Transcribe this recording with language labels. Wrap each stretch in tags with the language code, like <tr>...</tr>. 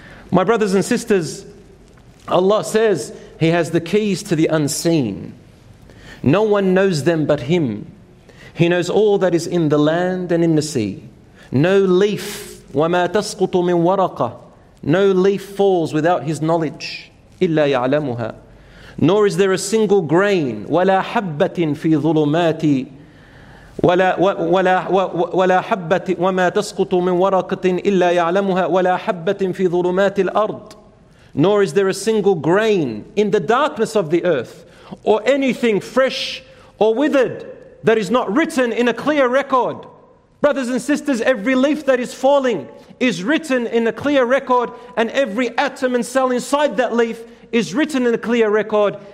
<en>My brothers and sisters, Allah says, He has the keys to the unseen. No one knows them but Him. He knows all that is in the land and in the sea. No leaf,</en> <ar>وَمَا تَسْقُطُ مِنْ وَرَقَةٍ,</ar> <en>no leaf falls without His knowledge.</en> <ar>إِلَّا يَعْلَمُهَا.</ar> <en>Nor is there a single grain,</en> <ar>وَلَا حَبَّةٍ فِي ظُلُمَاتِ وَلَا حَبَّةٍ وَمَا تَسْقُطُ مِنْ وَرَقَةٍ إِلَّا يَعْلَمُهَا وَلَا حَبَّةٍ فِي ظُلُمَاتِ الْأَرْضِ.</ar> <en>nor is there a single grain in the darkness of the earth, or anything fresh or withered that is not written in a clear record. Brothers and sisters, every leaf that is falling is written in a clear record, and every atom and cell inside that leaf is written in a clear record.</en>